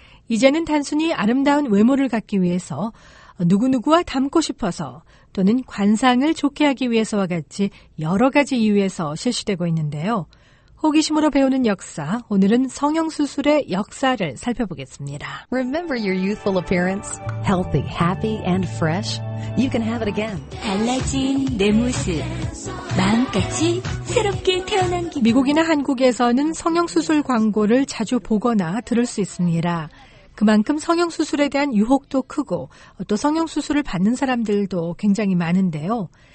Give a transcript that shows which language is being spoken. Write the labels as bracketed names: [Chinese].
[Korean] 이제는 단순히 아름다운 외모를 갖기 위해서 누구누구와 닮고 싶어서 또는 관상을 좋게 하기 위해서와 같이 여러 가지 이유에서 실시되고 있는데요. 호기심으로 배우는 역사, 오늘은 성형수술의 역사를 살펴보겠습니다. [English] Remember your youthful appearance? Healthy, happy, and fresh? You can have it again. [Korean] 달라진 내 모습, 마음까지 새롭게 태어난 기분. 미국이나 한국에서는 성형수술 광고를 자주 보거나 들을 수 있습니다. 그만큼 성형수술에 대한 유혹도 크고 또 성형수술을 받는 사람들도 굉장히 많은데요.